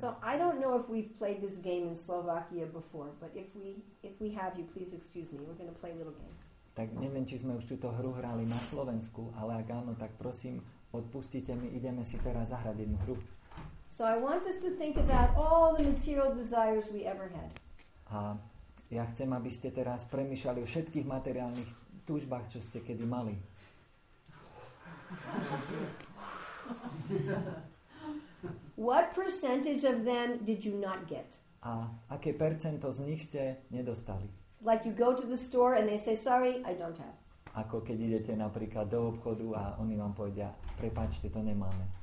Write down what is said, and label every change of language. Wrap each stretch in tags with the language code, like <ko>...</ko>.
<en>So I don't know if we've played this game in Slovakia before, but if we have, you please excuse me. We're going to play a little game.</en> <sk>Tak neviem, či sme už túto hru hrali na Slovensku, ale ak áno, tak prosím, odpustite mi, ideme si teraz zahrať jednu hru.</sk> <en>So I want us to think about all the material desires we ever had.</en> <sk>A ja chcem, aby ste teraz premýšľali o všetkých materiálnych túžbách, čo ste kedy mali.</sk> <en>What percentage of them did you not get?</en> <sk>A aké percento z nich ste nedostali?</sk> <en>Like you go to the store and they say, sorry, I don't have.</en> <sk>Ako keď idete napríklad do obchodu a oni vám povedia, prepáčte, to nemáme.</sk>